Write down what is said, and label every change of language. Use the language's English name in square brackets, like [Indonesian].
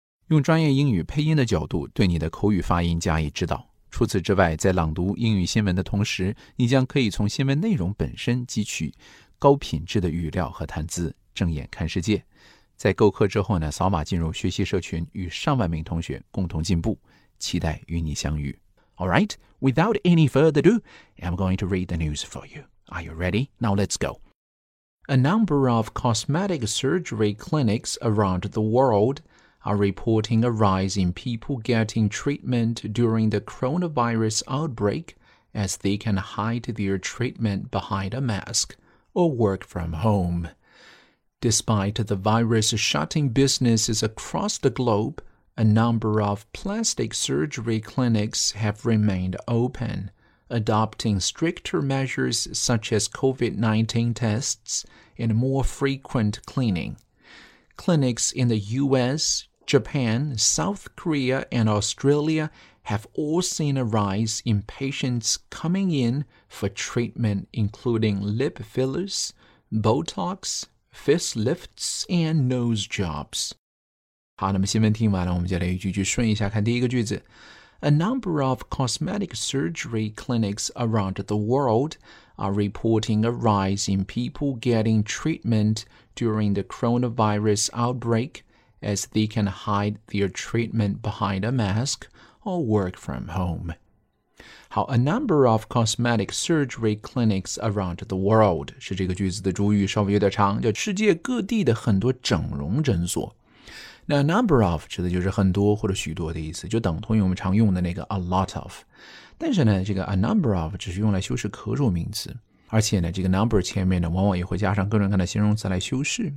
[Chinese] 用专业英语配音的角度对你的口语发音加以指导。除此之外，在朗读英语新闻的同时，你将可以从新闻内容本身汲取高品质的语料和谈资，正眼看世界。在购课之后呢，扫码进入学习社群，与上万名同学共同进步，期待与你相遇。 [English] All right, without any further ado, I'm going to read the news for you. Are you ready? Now let's go. A number of cosmetic surgery clinics around the world. Are reporting a rise in people getting treatment during the coronavirus outbreak as they can hide their treatment behind a mask or work from home. Despite the virus shutting businesses across the globe, a number of plastic surgery clinics have remained open, adopting stricter measures such as COVID-19 tests and more frequent cleaning. Clinics in the U.S. Japan, South Korea, and Australia have all seen a rise in patients coming in for treatment including lip fillers, Botox, facelifts, and nose jobs. [Chinese] 好，那么新闻听完了，我们再来一句句顺一下看第一个句子。 [English] A number of cosmetic surgery clinics around the world are reporting a rise in people getting treatment during the coronavirus outbreak,as they can hide their treatment behind a mask or work from home. How a number of cosmetic surgery clinics around the world, [Chinese] 是这个句子的主语稍微有点长，叫世界各地的很多整容诊所。那 a number of 指的就是很多或者许多的意思，就等同于我们常用的那个 a lot of。但是呢，这个 a number of 只是用来修饰可数名词。而且呢，这个 number 前面呢，往往也会加上各种各样的形容词来修饰。